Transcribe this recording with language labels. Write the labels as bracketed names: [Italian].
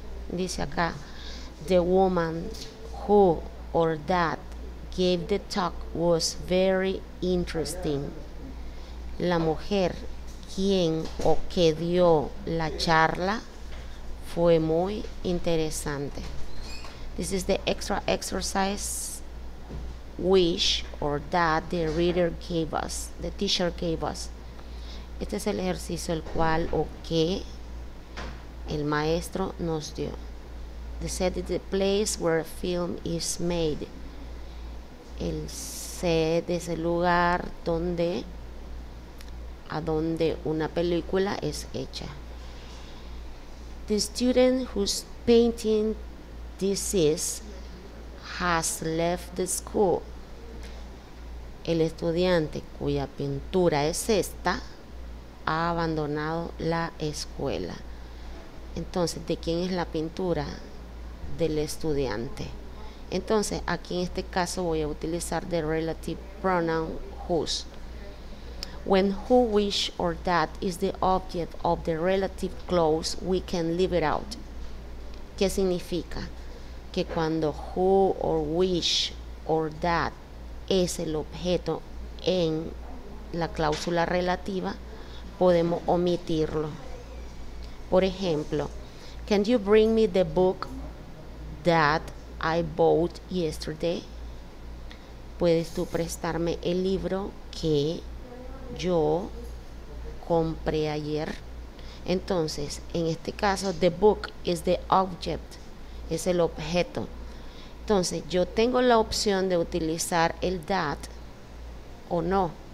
[Spanish] Dice acá, [English] the woman who or that gave the talk was very interesting. [Spanish] La mujer quien o que dio la charla fue muy interesante. [English] This is the extra exercise which or that the reader gave us, the teacher gave us. [Spanish] Este es el ejercicio el cual o que el maestro nos dio. [English] They said it's the place where a film is made. [Spanish] El set es el lugar donde a donde una película es hecha. [English] The student whose painting this is has left the school. [Spanish] El estudiante cuya pintura es esta ha abandonado la escuela. Entonces, ¿de quién es la pintura? Del estudiante. Entonces, aquí en este caso voy a utilizar [English] the relative pronoun whose. When who, which, or that is the object of the relative clause, we can leave it out. [Spanish] ¿Qué significa? Que cuando who, or which, or that es el objeto en la cláusula relativa, podemos omitirlo. Por ejemplo, [English] can you bring me the book that I bought yesterday? [Spanish] ¿Puedes tú prestarme el libro que yo compré ayer? Entonces, en este caso, [English] the book is the object, [Spanish] es el objeto. Entonces, yo tengo la opción de utilizar el that o no.